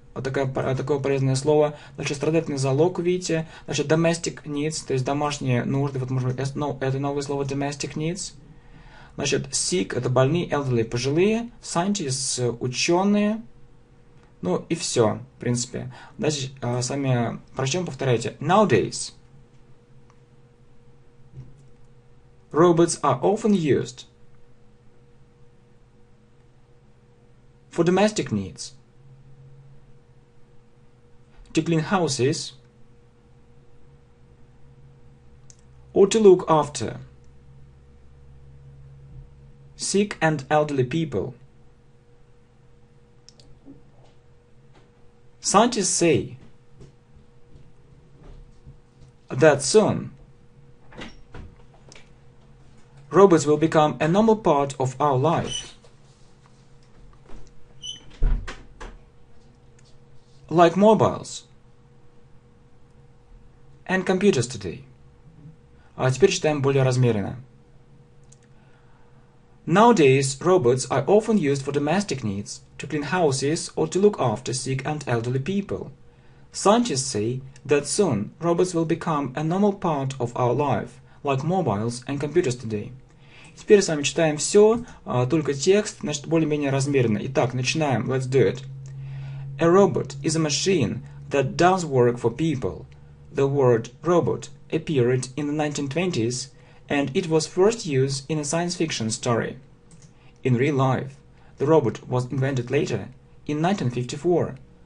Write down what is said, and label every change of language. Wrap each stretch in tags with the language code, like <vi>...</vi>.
<ru>Вот такое полезное слово. Значит, страдательный залог, видите. Значит, domestic needs, то есть домашние нужды. Вот, может быть, это новое слово domestic needs. Значит, sick – это больные, elderly – пожилые, scientists – ученые. Ну и все, в принципе. Значит, сами прочтем, повторяйте.</ru> <en>Nowadays, robots are often used for domestic needs, to clean houses, or to look after sick and elderly people. Scientists say that soon robots will become a normal part of our life, like mobiles and computers today.</en> <ru>А теперь читаем более размеренно.</ru> <en>Nowadays, robots are often used for domestic needs, to clean houses or to look after sick and elderly people. Scientists say that soon robots will become a normal part of our life, like mobiles and computers today.</en> <ru>Теперь с вами читаем все, только текст, значит, более-менее размеренно. Итак, начинаем.</ru> <en>Let's do it. A robot is a machine that does work for people. The word robot appeared in the 1920s, and it was first used in a science fiction story. In real life, the robot was invented later, in 1954.</en>